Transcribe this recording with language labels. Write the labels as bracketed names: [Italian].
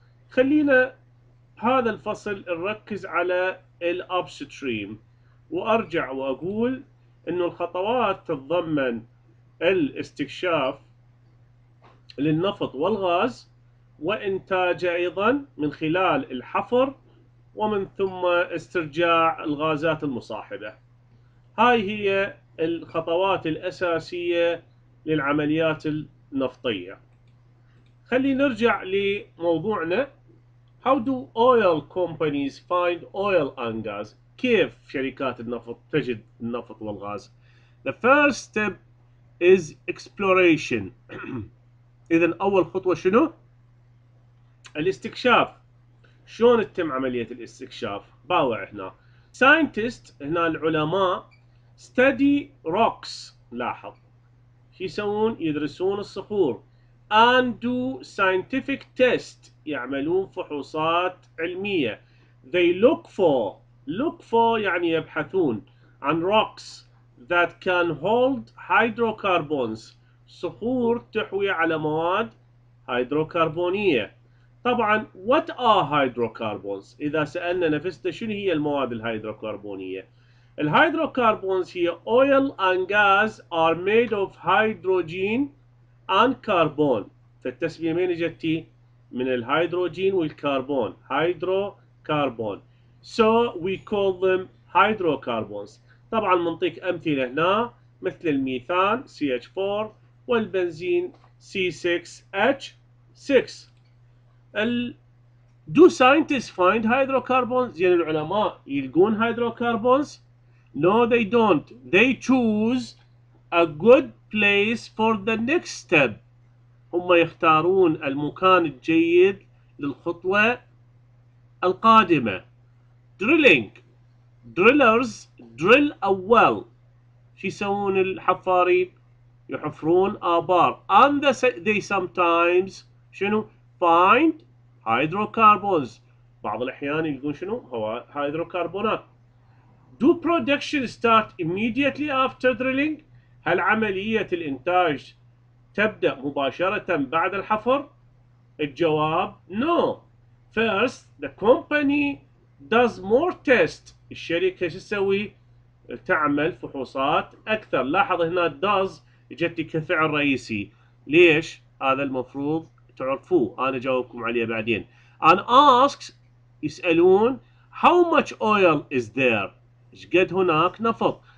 [Arabic] خلينا هذا الفصل نركز على الأبستريم، وأرجع وأقول إنه الخطوات تتضمن الاستكشاف للنفط والغاز وإنتاجه أيضا من خلال الحفر ومن ثم استرجاع الغازات المصاحبة. هاي هي الخطوات الأساسية للعمليات النفطية. خلينا نرجع لموضوعنا. [English] How do oil companies find oil and gas? [Arabic] كيف شركات النفط تجد النفط والغاز؟ [English] The first step is exploration. [Arabic] إذا أول خطوة شنو؟ الاستكشاف. شلون تتم عملية الاستكشاف؟ باوع هنا. [English] Scientists [Arabic] هنا العلماء [English] study rocks. [Arabic] لاحظ. يسوون يدرسون الصخور. [English] And do scientific tests. [Arabic] يعملون فحوصات علمية. [English] They look for. Look for [Arabic] يعني يبحثون عن [English] rocks that can hold hydrocarbons. [Arabic] صخور تحوي على مواد هيدروكربونية. طبعا [English] what are hydrocarbons؟ [Arabic] إذا سألنا نفسنا شنو هي المواد الهيدروكربونية؟ الهيدروكربونز هي [English] oil and gas are made of hydrogen and carbon. [Arabic] فالتسمية من جتي من الهيدروجين والكربون. هيدرو كربون. [English] So we call them hydrocarbons. [Arabic] طبعا منطيك أمثلة هنا مثل الميثان CH4 والبنزين C6H6. [English] Do scientists find hydrocarbons؟ [Arabic] يعني العلماء يلقون [English] hydrocarbons؟ No they don't. They choose a good place for the next step. [Arabic] هم يختارون المكان الجيد للخطوة القادمة. [English] Drilling. Drillers drill a well. [Arabic] شو يسوون الحفارين؟ يحفرون آبار. [English] And they sometimes شنو؟ find hydrocarbons. [Arabic] بعض الأحيان يقول شنو؟ هو هيدروكربونات. [English] Do production start immediately after drilling؟ [Arabic] هل عملية الإنتاج تبدأ مباشرة بعد الحفر؟ الجواب no. [English] First, the company does more tests. [Arabic] الشركة شو تسوي؟ تعمل فحوصات أكثر. لاحظ هنا does جت كفعل رئيسي. ليش هذا المفروض تعرفوه، انا جاوبكم عليه بعدين. ان اسكس يسالون [English] how much oil is there، [Arabic] ايش قد هناك نفط.